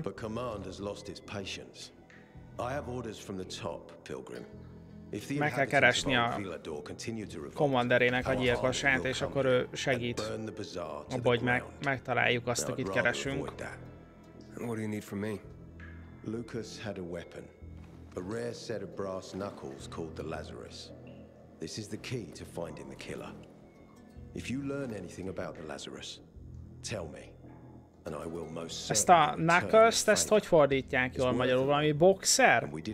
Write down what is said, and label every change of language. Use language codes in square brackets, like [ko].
[en] But command has lost its patience. I have orders from the top, Pilgrim. If the [hu] meg kell keresni a commanderének a gyilkosát, és akkor ő segít abba, hogy megtaláljuk azt, akit keresünk. [en] What do you need from me? Lucas had a weapon. A rare set of brass knuckles called the Lazarus. This is the key to finding the killer. If you learn anything about the Lazarus, tell me. And I will most certainly. [hu] Ezt a Knuckles-t, ezt hogy fordítják jól magyarul? Valami boxer?